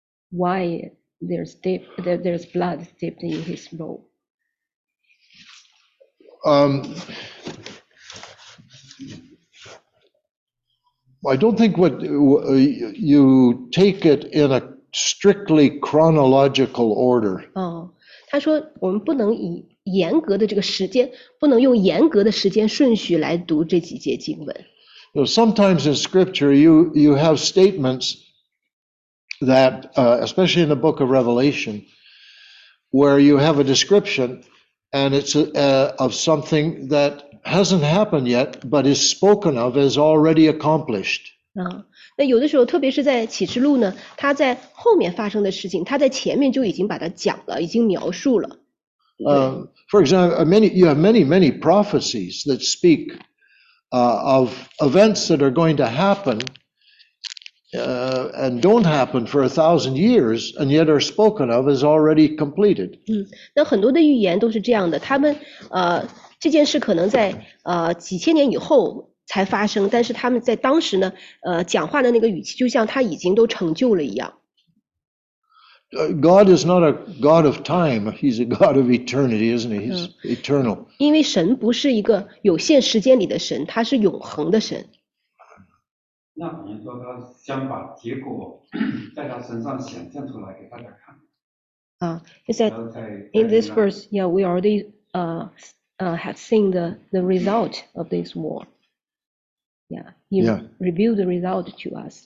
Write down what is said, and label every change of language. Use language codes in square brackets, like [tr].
[en] Why there's blood dipped in his robe? I don't think what you take it in a,Strictly chronological order. [zh] 他说我们不能以严格的这个时间，不能用严格的时间顺序来读这几节经文。 [en] So sometimes in scripture you have statements that, especially in the book of Revelation, where you have a description and it's of something that hasn't happened yet, but is spoken of as already accomplished. [zh] 那有的时候，特别是在启示录呢，他在后面发生的事情，他在前面就已经把它讲了，已经描述了。 [en] For example, you have many, many prophecies that speak, of events that are going to happen, and don't happen for 1,000 years, and yet are spoken of as already completed. [zh] 那很多的预言都是这样的，他们这件事可能在几千年以后。才发生，但是他们在当时呢，讲话的那个语气就像他已经都成就了一样。 [en] God is not a God of time; He's a God of eternity, isn't He? He's eternal. [zh] 因为神不是一个有限时间里的神，他是永恒的神。那比如说，他想把结果在他身上显现出来给大家看。 [en] He said, "In this verse, yeah, we already have seen the result of this war." Yeah, he revealed the result to us.